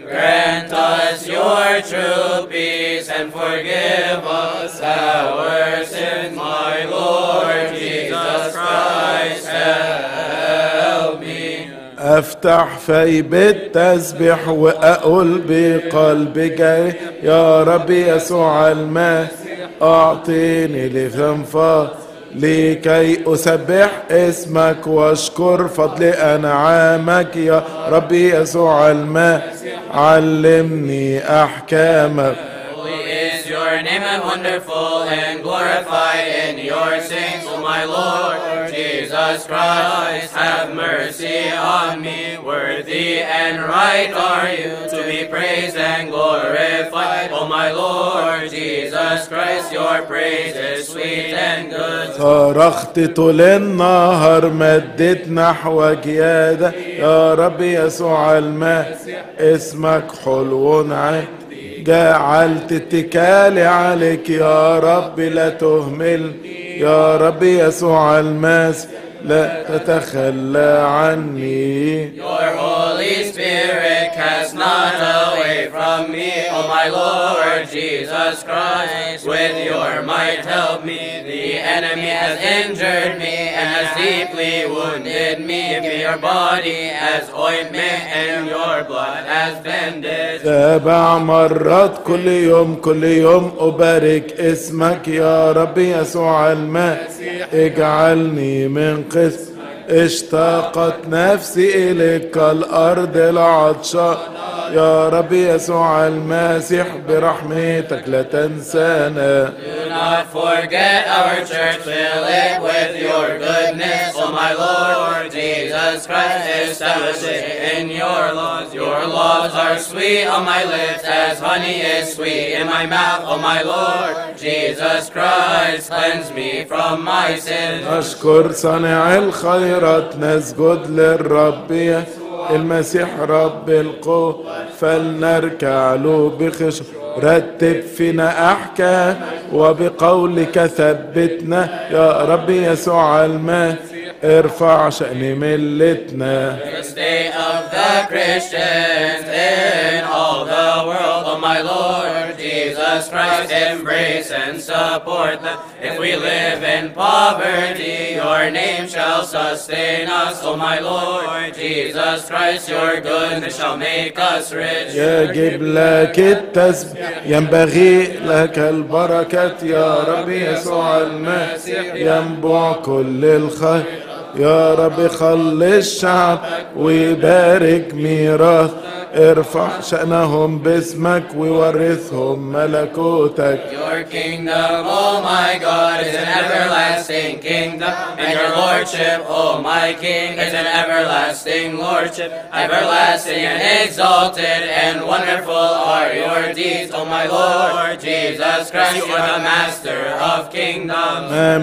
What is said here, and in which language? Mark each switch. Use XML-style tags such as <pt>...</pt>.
<en>Grant us your true peace and forgive us our sins, my Lord Jesus Christ, help me.</en> <ar>أفتح في بيت تسبح وأقول بقلبك يا ربي يسوع المسيح أعطيني لفنفة لكي أسبح اسمك واشكر فضل أنعامك يا ربي يسوع المسيح علمني أحكامك.</ar> <en>Holy is your name and wonderful and glorified in your saints, O my Lord Jesus Christ, have mercy. mercy on me. Worthy and right are you to be praised and glorified. O my Lord Jesus Christ, your praise is sweet and good.</en> <ar>صرخت طول النهار مدت نحوك يا ده يا رب يسوع المسيح اسمك حلو جعلت اتكالي عليك يا رب لا تهمل يا رب يسوع المسيح لا تتخلى عني.</ar> <en>Your Holy Spirit cast not away from me. O my Lord Jesus Christ, with your might help me. The enemy has injured me and has deeply wounded me. Give me your body as ointment and your blood as bandage.</en> <ar>سبع مرات كل يوم كل يوم أبارك اسمك يا رب يسوع المسيح اجعلني من قبل اشتاقت نفسي إليك الأرض العطشة يا ربي يسوع المسيح برحمتك لا تنسانا.</ar> <en>Do not forget our church, fill it with your goodness. O my Lord Jesus Christ, establish it in your laws. Your laws are sweet on my lips as honey is sweet in my mouth. O my Lord Jesus Christ, cleanse me from my sins.</en> <ar>أشكر صانع الخيرات نسجد للرب المسيح رب القوة فلنركع له بخشوع رتب فينا أحكام وبقولك ثبتنا يا رب يسوع المسيح ارفع شأن ملتنا.</ar> <en>The state of the Christians in all the world, O my Lord Jesus Christ, embrace and support them. If we live in poverty, your name shall sustain us. O my Lord Jesus Christ, your goodness shall make us rich.</en> <ar>يجب لك التسبيح ينبغي لك البركة يا ربي يسوع المسيح ينبع كل الخير يا رب خلص الشعب ويبارك ميراث ارفع شأنهم باسمك وورثهم ملكوتك.</ar> <en>Your kingdom, O my God, is an everlasting kingdom, and your lordship, O my King, is an everlasting lordship. Everlasting and exalted and wonderful are your deeds, O my Lord Jesus Christ, you are the master of kingdoms.</en>